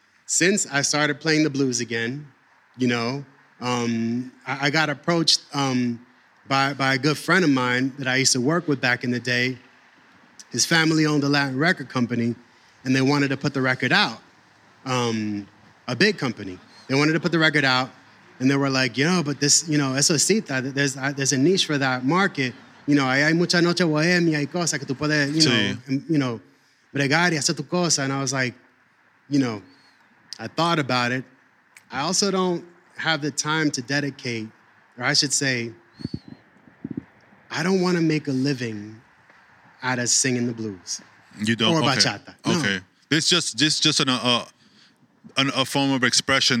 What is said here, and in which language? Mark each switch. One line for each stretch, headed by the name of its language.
English: Since I started playing the blues again, you know, I got approached by a good friend of mine that I used to work with back in the day. His family owned a Latin record company and they wanted to put the record out. A big company. They wanted to put the record out and they were like, you know, but this, you know,
Spanish: eso es cita,
English: there's a niche for that market. You know,
Spanish: hay mucha noche bohemia y cosas que tú puedes,
English: you know,
Spanish: bregar y hacer tu cosa.
English: And I was like, you know, I thought about it. I also don't have the time to dedicate, or I should say, I don't want to make a living out of singing the blues. You don't? Or bachata. Okay. No. This is just a form of expression.